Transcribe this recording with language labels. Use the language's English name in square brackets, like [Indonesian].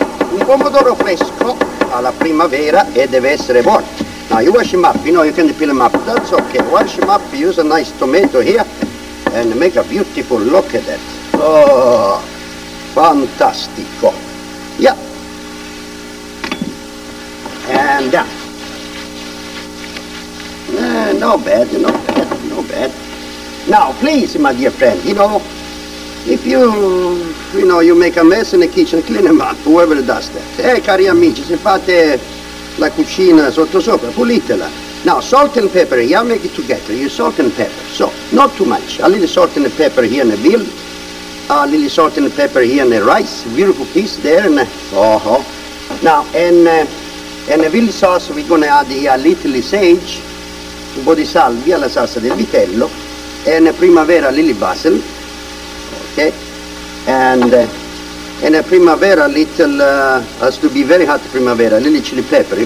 [Italian] Un pomodoro fresco alla primavera e deve essere buono. [English] Now, you wash them up. You know, you can peel them up. That's okay. Wash them up. Use a nice tomato here and make a beautiful look at that. [Italian] Oh, fantastico. [English] Yeah. And down. No bad, no bad, no bad. Now, please, my dear friend, you know, if you, you know, you make a mess in the kitchen, clean them up, whoever does that. [Italian] Hey, cari amici, se fate la cucina sotto sopra, pulitela. [English] Now, salt and pepper, yeah, make it together. You salt and pepper. So, not too much. A little salt and pepper here in the veal. A little salt and pepper here in the rice, beautiful piece there, and Now, and the veal sauce, we're gonna add here a little sage, [Italian] un po' di salvia, la salsa del vitello, [English] and a primavera lily basil, okay, and a primavera little, has to be very hot primavera, little chili pepper.